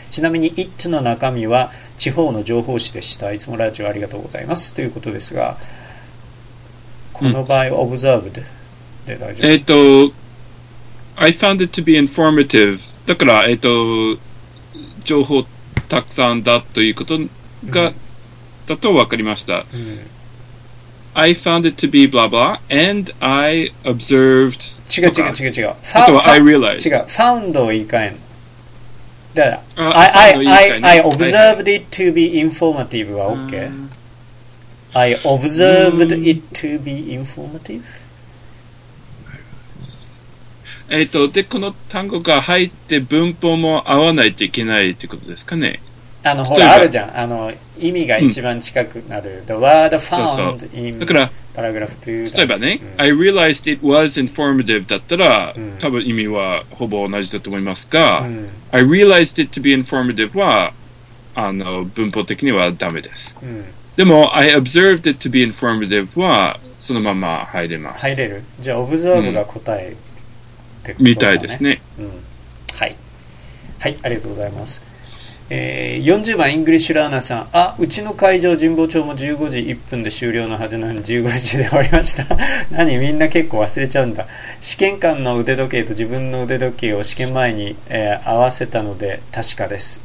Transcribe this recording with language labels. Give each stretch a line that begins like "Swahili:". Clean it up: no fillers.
Japanese: ちなみに it の中身は地方の情報誌でした、いつもラジオありがとうございますということですが、この場合は observed で大丈夫、うん、
English: I found it to be informative
Japanese: だから、情報たくさんだということが、うん、だと分かりました、うん、
English: I found it to be blah blah and I observed
Japanese: 違う、あとは
English: I realized
Japanese: 違う、found を言い換えんだから
English: I observed it to be informative
Japanese: は OK、うん、
English: I observed it to be informative、
Japanese: で、この単語が入って文法も合わないといけないってことですかね。あの、ほら、あるじゃん、あの、意味が一番近くなる、うん、
English: The word found、
Japanese: そうそう、
English: in paragraph
Japanese: 2、 例えばね、うん、
English: I realized it was informative
Japanese: だったら、うん、多分意味はほぼ同じだと思いますが、うん、
English: I realized it to be informative
Japanese: は、あの、文法的にはダメです、うん、でも、
English: I observed it to be informative
Japanese: はそのまま入れます。入れる。じゃあ、observe が答えってことだね。みたいですね、うん。はい。はい、ありがとうございます。40番、イングリッシュラーナーさん。あ、うちの会場、神保町も15時1分で終了のはずなのに、15時で終わりました。何、みんな結構忘れちゃうんだ。試験官の腕時計と自分の腕時計を試験前に、合わせたので、確かです。